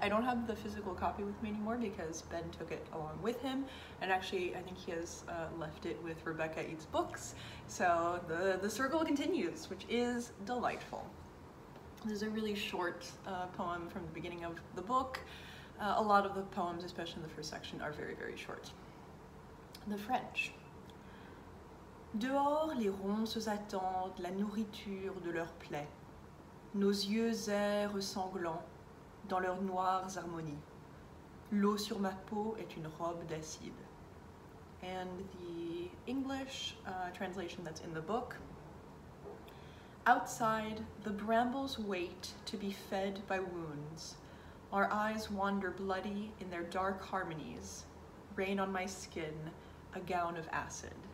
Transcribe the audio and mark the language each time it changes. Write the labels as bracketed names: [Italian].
[English] I don't have the physical copy with me anymore because Ben took it along with him, and actually I think he has left it with Rebecca Eats Books, so the circle continues, which is delightful. This is a really short poem from the beginning of the book. A lot of the poems, especially in the first section, are very, very short. The French. [French] Dehors, les ronces attendent la nourriture de leurs plaies, nos yeux errent sanglants dans leurs noires harmonies. L'eau sur ma peau est une robe d'acide. [English] And the English translation that's in the book. Outside, the brambles wait to be fed by wounds. Our eyes wander bloody in their dark harmonies. Rain on my skin, a gown of acid.